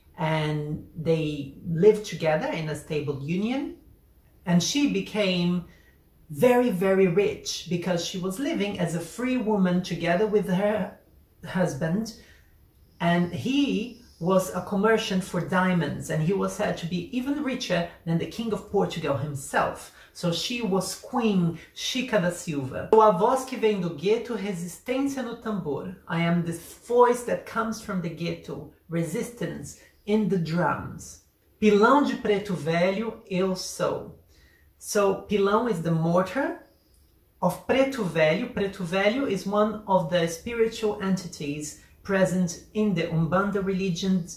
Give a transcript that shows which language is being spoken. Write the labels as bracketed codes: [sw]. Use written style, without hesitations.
[en] And they lived together in a stable union and she became very, very rich because she was living as a free woman together with her husband, and he was a merchant for diamonds, and he was said to be even richer than the king of Portugal himself. So she was Queen Chica da Silva. [pt] A voz que vem do gueto, resistência no tambor. [en] I am this voice that comes from the ghetto, resistance in the drums. [pt] Pilão de preto velho, eu sou. [en] So, pilão is the mortar of preto velho. Preto velho is one of the spiritual entities present in the Umbanda religion.